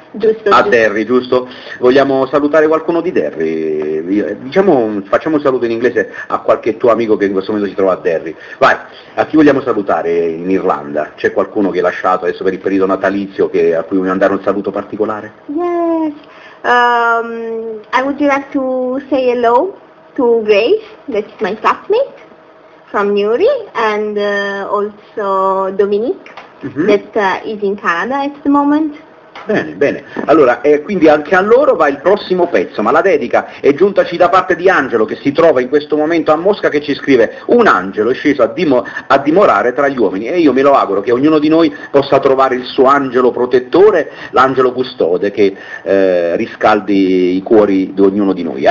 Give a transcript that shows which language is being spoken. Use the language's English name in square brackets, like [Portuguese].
[Italian] Giusto, a Derry, giusto? Vogliamo salutare qualcuno di Derry? Diciamo, facciamo un saluto in inglese a qualche tuo amico che in questo momento si trova a Derry. Vai, a chi vogliamo salutare in Irlanda? C'è qualcuno che hai lasciato adesso per il periodo natalizio che, a cui vuoi mandare un saluto particolare? [English] Yes, I would like to say hello to Grace, that's my classmate from Newry, and also Dominique, mm-hmm, that is in Canada at the moment. [Italian] Bene, bene. Allora, quindi anche a loro va il prossimo pezzo, ma la dedica è giuntaci da parte di Angelo che si trova in questo momento a Mosca, che ci scrive: un angelo è sceso a dimorare tra gli uomini e io me lo auguro che ognuno di noi possa trovare il suo angelo protettore, l'angelo custode che riscaldi i cuori di ognuno di noi.